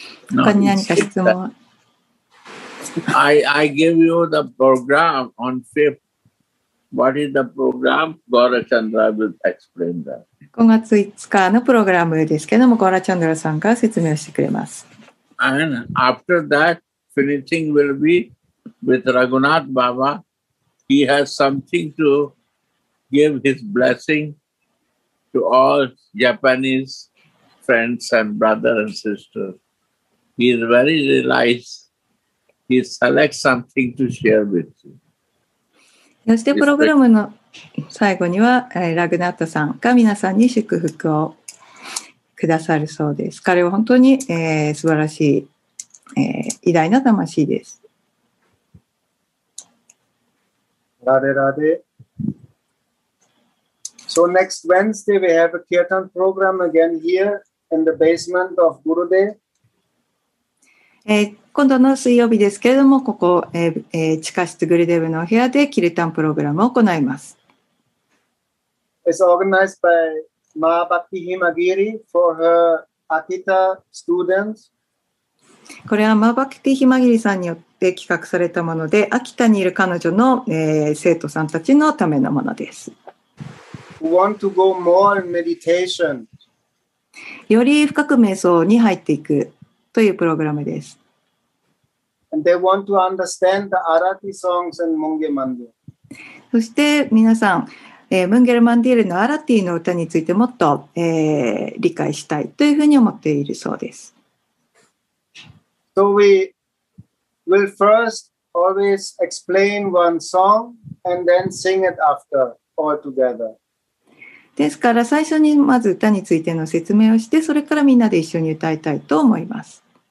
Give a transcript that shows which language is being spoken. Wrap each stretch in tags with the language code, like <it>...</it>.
<ja>他に何か質問は？</ja> <en>I give you the program on 5th. What is the program? Gaura Chandra will explain that.</en> <ja>5月5日のプログラムですけども、ゴーラチャンドラさんが説明してくれます。</ja> <en>And after that, finishing will be with Raghunath Baba. He has something to give his blessing to all Japanese friends and brothers and sisters. He is very realized. He selects something to share with you.</en> <ja>そしてプログラムの最後にはラグナットさんが皆さんに祝福をくださるそうです。彼は本当に、素晴らしい、偉大な魂です。ラデラデ。</ja> <en>So next Wednesday we have a kirtan program again here in the basement of Gurudev.</en> <ja>今度の水曜日ですけれども、ここ、地下室グルデブのお部屋でキルタンプログラムを行います。</ja> <en>It's organized by Ma Bhakti Himagiri for her Akita students.</en> <ja>これはマーバクティヒマギリさんによって企画されたもので、秋田にいる彼女の、生徒さんたちのためのものです。</ja> <en>Want to go more meditation.</en> <ja>より深く瞑想に入っていくというプログラムです。</ja> <en>And they want to understand the Arati songs and Munger Mandir.</en> <ja>そして皆さん、ムンゲルマンディールのアラティの歌についてもっと、理解したいというふうに思っているそうです。</ja> <en>So we will first always explain one song and then sing it after all together.</en> <ja>ですから最初にまず歌についての説明をして、それからみんなで一緒に歌いたいと思います。</ja>